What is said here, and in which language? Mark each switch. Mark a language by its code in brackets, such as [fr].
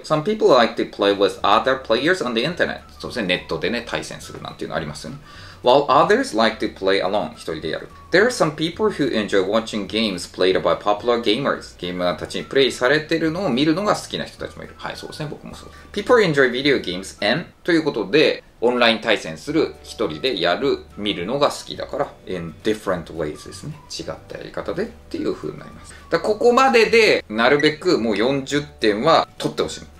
[en] Some people like to play with other players on the internet. [ja] そうですね、ネットでね対戦するなんていうのありますよね。 [en] While others like to play alone. [ja] 一人でやる。 [en] There are some people who enjoy watching games played by popular gamers. [ja] ゲーマーたちにプレイされてるのを見るのが好きな人たちもいる。はい、そうですね、僕もそう。 [en] People enjoy video games and [ja] ということで、オンライン対戦する、一人でやる、見るのが好きだから [en] in different ways [ja] ですね、違ったやり方でっていう風になります。だからここまででなるべくもう40点は取ってほしい。